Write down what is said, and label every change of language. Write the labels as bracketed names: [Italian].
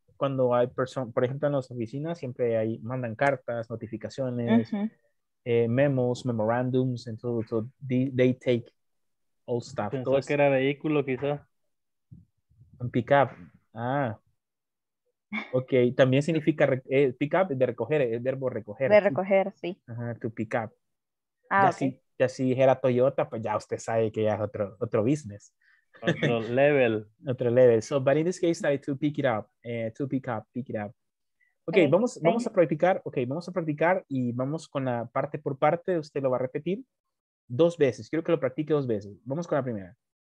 [Spanish] cuando hay personas, por ejemplo, en las oficinas siempre hay, mandan cartas, notificaciones, uh-huh. [English] Memos, memorandums, and so they take all stuff. [Spanish] Pensó entonces, que era vehículo, quizá. Un pickup. Ah. Ok, también significa pickup, de recoger, el verbo recoger. De recoger, sí. Ajá, [English] to pick up. [Spanish] Ah, sí. Ya si era Toyota, pues ya usted sabe que ya es otro business. Otro level. Otro level. [English] So, but in this case, I to pick it up. To pick up, pick it up. Ok, hey, [Spanish] vamos a practicar. Ok, vamos a practicar y vamos con la parte por parte. Usted lo va a repetir dos veces. Quiero que lo practique dos veces. Vamos con la primera.